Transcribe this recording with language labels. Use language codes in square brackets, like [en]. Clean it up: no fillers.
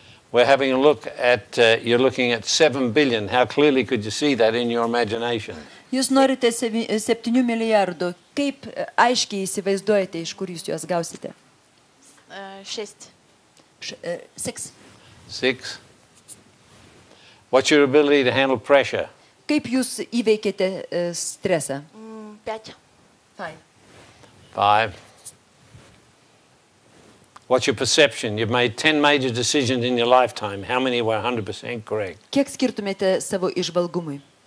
[en] We're having a look at, you're looking at 7 billion. How clearly could you see that in your imagination? [lt] Jūs norite 7 milijardų. Kaip aiškiai įsivaizduojate, iš kur jūs juos gausite? [en] 6. What's your ability to handle pressure? Kaip jūs įveikėte stresą? 5. What's your perception? You've made 10 major decisions in your lifetime. How many were 100% correct? [lt] Kiek skirtumėte savo išvalgumui?